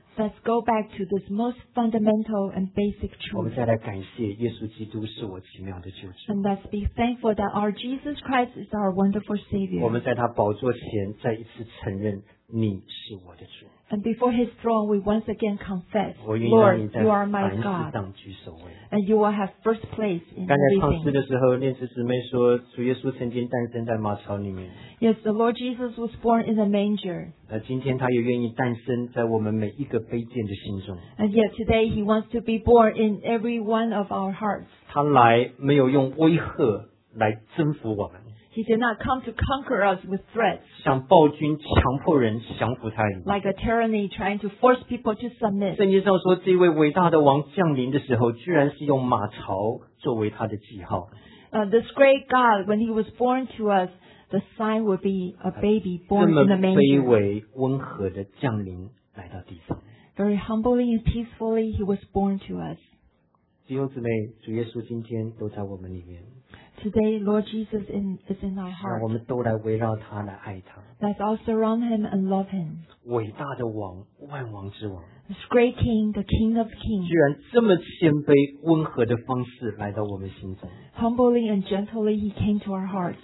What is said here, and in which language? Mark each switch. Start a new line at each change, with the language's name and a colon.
English: Let's go back to this most fundamental and basic truth.
Chinese: 我们再来感谢耶稣基督是我奇妙的救主。
English: And let's be thankful that our Jesus Christ is our wonderful Savior.
Chinese: 我们在他宝座前再一次承认你是我的主。
English: And before His throne, we once again confess, Lord, you are my God. And you will have first place in everything.
Chinese: 刚才唱诗的时候，念慈姊妹说，主耶稣曾经诞生在马槽里面。
English: Yes, the Lord Jesus was born in a manger.
Chinese: 今天他也愿意诞生在我们每一个卑贱的心中。
English: And yet today He wants to be born in every one of our hearts.
Chinese: 他来没有用威吓来征服我们。
English: He did not come to conquer us with threats.
Chinese: 像暴君强迫人降服他。
English: Like a tyranny trying to force people to submit.
Chinese: 圣经上说，这位伟大的王降临的时候，居然是用马槽作为他的记号。
English: This great God, when He was born to us, the sign would be a baby born in the manger.
Chinese: 这么卑微温和的降临来到地上。
English: Very humbly and peacefully, He was born to us.
Chinese: 弟兄姊妹，主耶稣今天都在我们里面。
English: Today, Lord Jesus is in our heart.
Chinese: 让我们都来围绕他，来爱他。
English: Let's all surround him and love him.
Chinese: 伟大的王，万王之王。
English: This great king, the king of kings.
Chinese: 居然这么谦卑、温和的方式来到我们心中。
English: Humbly and gently, he came to our hearts.